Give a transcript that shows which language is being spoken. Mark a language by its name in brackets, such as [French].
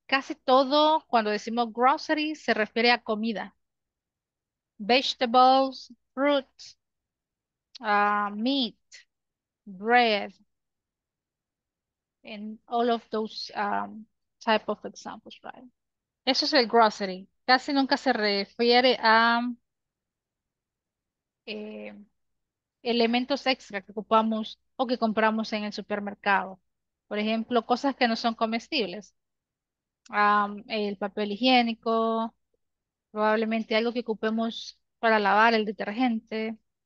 [Spanish] Casi todo cuando decimos grocery se refiere a comida. [English] Vegetables, fruit, meat, bread, and all of those type of examples, right? [Spanish] Eso es el grocery. Casi nunca se refiere a elementos extra que ocupamos o que compramos en el supermercado. Por ejemplo, cosas que no son comestibles. El papel higiénico, probablemente algo que ocupemos para lavar el detergente.